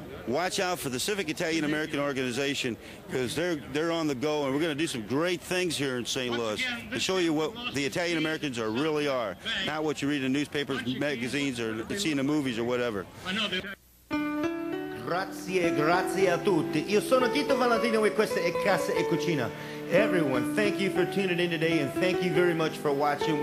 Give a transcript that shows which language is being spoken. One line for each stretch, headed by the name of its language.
English: Watch out for the Civic Italian American organization, because they're on the go, and we're going to do some great things here in St. Louis to show you what the Italian Americans are really are, not what you read in newspapers, magazines, or see in the movies or whatever.
Italian: Grazie, grazie a tutti. Io sono Tito Valentino e questa è Casa e Cucina.
English: Everyone, thank you for tuning in today, and thank you very much for watching.